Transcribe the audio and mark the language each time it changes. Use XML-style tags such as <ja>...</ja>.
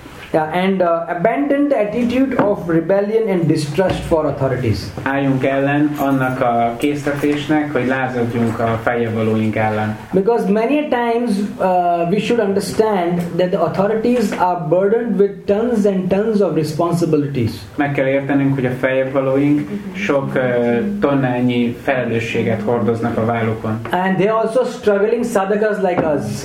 <en>Yeah, and abandon the attitude of rebellion and distrust for authorities.</en> <hu>Álljunk ellen annak a késztetésnek, hogy lázadjunk a feljavalóink ellen.</hu> <en>Because many a times we should understand that the authorities are burdened with tons and tons of responsibilities.</en> <hu>Meg kell értenünk, hogy a feljavalóink sok tonnányi felelősséget hordoznak a vállukon.</hu> <en>And they are also struggling sadhakas like us.</en>